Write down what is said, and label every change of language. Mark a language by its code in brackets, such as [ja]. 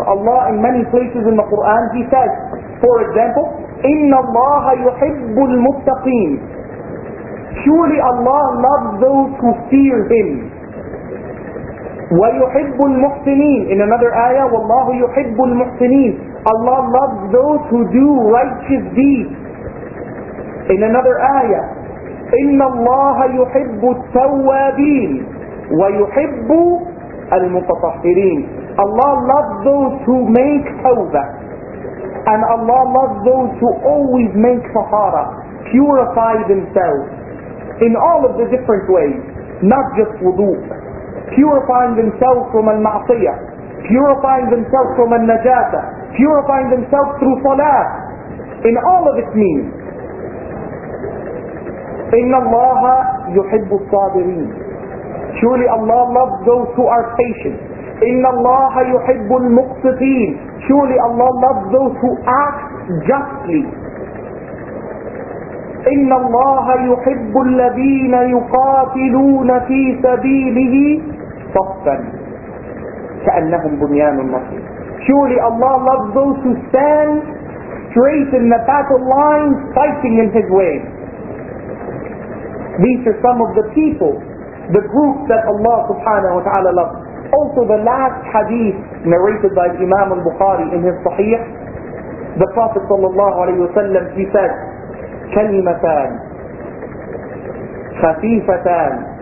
[en] Allah in many places in the Quran, He says, for example, [ar] إِنَّ اللَّهَ يُحِبُّ الْمُتَّقِينَ. [en] Surely Allah loves those who fear Him. [ar] وَيُحِبُّ الْمُحْسِنِينَ. [en] In another ayah, [ar] وَاللَّهُ يُحِبُّ الْمُحْسِنِينَ. [en] Allah loves those who do righteous deeds. In another ayah, [ar] إِنَّ اللَّهَ يُحِبُّ التَّوَّابِينَ وَيُحِبُّ المتطهرين. [en] Allah loves those who make tawbah, and Allah loves those who always make tahara, purify themselves in all of the different ways, not just wudu, purifying themselves from al-ma'siyah, purifying themselves from al-najasa, purifying themselves through salah, in all of its meaning. [ar] إن الله يحب الصابرين. [en] Truly Allah loves those who are patient. [ar] إن الله يحب المقسطين. [en] Truly Allah loves those who act justly. [ar] إن الله يحب الذين يقاتلون في سبيله صفا كأنهم بنيان مرصوص. [en] Truly Allah loves those who stand straight in the battle line fighting in His way. These are some of the people, the group that Allah subhanahu wa ta'ala loves. Also the last hadith narrated by Imam al-Bukhari in his Sahih, the Prophet sallallahu alayhi wa sallam, he said, [ar] كلمتان خفيفتان.